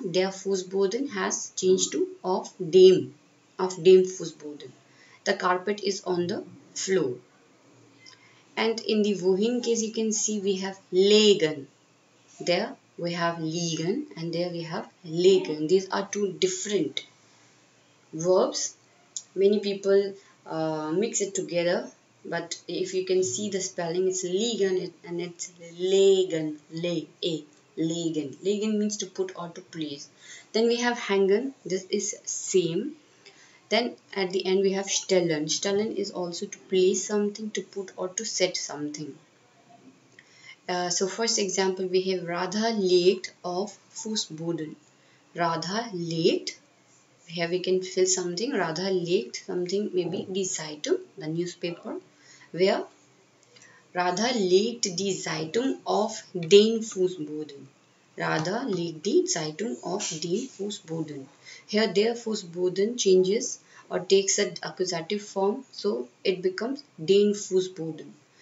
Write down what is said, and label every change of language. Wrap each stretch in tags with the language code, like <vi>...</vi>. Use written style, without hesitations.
<de>Der Fußboden</de> <en>has changed to</en> <de>auf dem Fußboden.</de> <en>The carpet is on the floor. And in the wohin case, you can see we have legen. There we have liegen and there we have legen. These are two different verbs. Many people mix it together. But if you can see the spelling, it's liegen and it's legen. Legen. Legen means to put or to place. Then we have hängen. This is same. Then at the end we have stellen. Stellen is also to place something, to put or to set something. So first example we have Radha legt auf Fußboden. Radha legt. Here we can fill something.</en> <de>Radha legt</de> <en>something, maybe</en> <de>die Zeitung,</de> <en>the newspaper. Where</en> <de>Radha legt die Zeitung auf den Fußboden. Radha legt die Zeitung auf den Fußboden.</de> <en>Here der Fußboden changes or takes an accusative form, so it becomes den Fußboden.</en>